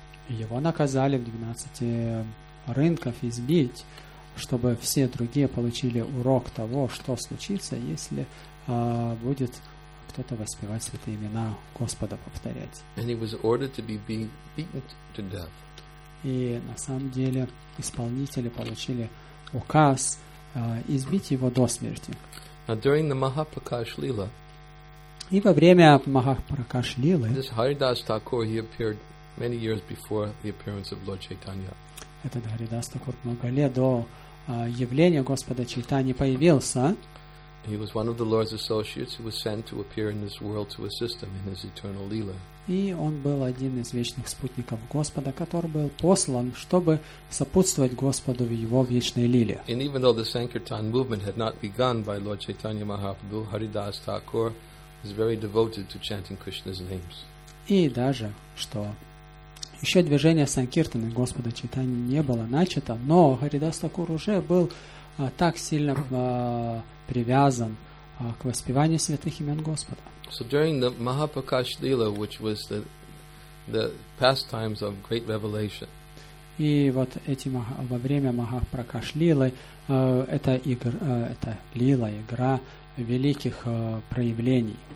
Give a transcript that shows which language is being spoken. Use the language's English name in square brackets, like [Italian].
[Russian] его наказали в 12 рынков избить, чтобы все другие получили урок того, что случится, если будет кто-то воспевать святые имена Господа, повторять. [English] And he was ordered to be beaten to death. [Russian] И на самом деле исполнители получили указ избить его до смерти. [English] Now, during the Mahaprakash Lila, [Russian] и во время Махапракаш Лилы [English] Харидас Такур appeared many years before the appearance of Lord Chaitanya. [Russian] Этот Харидас Такур много лет до явления Господа Чайтани появился. [English] He was one of the Lord's associates who was sent to appear in this world to assist him in his eternal lila. [Russian] И он был один из вечных спутников Господа, который был послан, чтобы сопутствовать Господу в его вечной лиле. [English] And even though the Sankirtan movement had not begun by Lord Chaitanya Mahaprabhu, Haridas Thakur was very devoted to chanting Krishna's names. [Russian] И даже что еще движение Санкиртаны Господа Чайтани не было начато, но Харидас Такур уже был так сильно привязан к воспеванию святых имен Господа. [English] So during the Mahaprakash Lila, which was the pastimes of great revelation. [Russian] И вот эти во время Махапракаш Лилы это лила, игра великих проявлений.